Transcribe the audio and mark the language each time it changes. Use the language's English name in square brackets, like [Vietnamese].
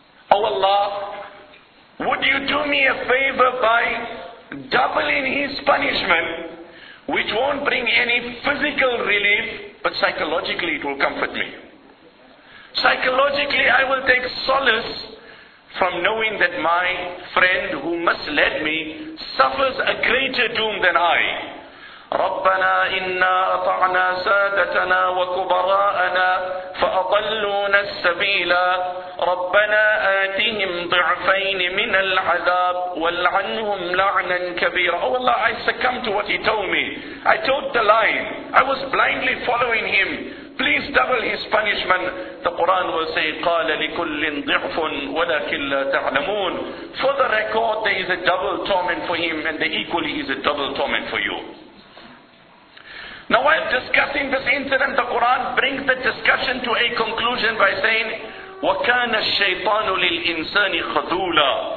[English] Oh Allah, would you do me a favor by doubling his punishment, which won't bring any physical relief, but psychologically it will comfort me. Psychologically I will take solace from knowing that my friend who misled me suffers a greater doom than I. [Arabic] ربنا إنا أطعنا سادتنا وكبراءنا فأضلونا السبيلا ربنا آتهم ضعفين من العذاب والعنهم لعنا كبيرا. [English] Oh Allah, I succumbed to what he told me. I told the line. I was blindly following him. Please double his punishment. The Quran will say, [Arabic] قال لكل ضعف ولكن لا تعلمون. [English] For the record, there is a double torment for him, and there equally is a double torment for you. Now while discussing this incident, the Quran brings the discussion to a conclusion by saying, [Arabic] وَكَانَ الشَّيْطَانُ لِلْإِنسَانِ خَذُولًا.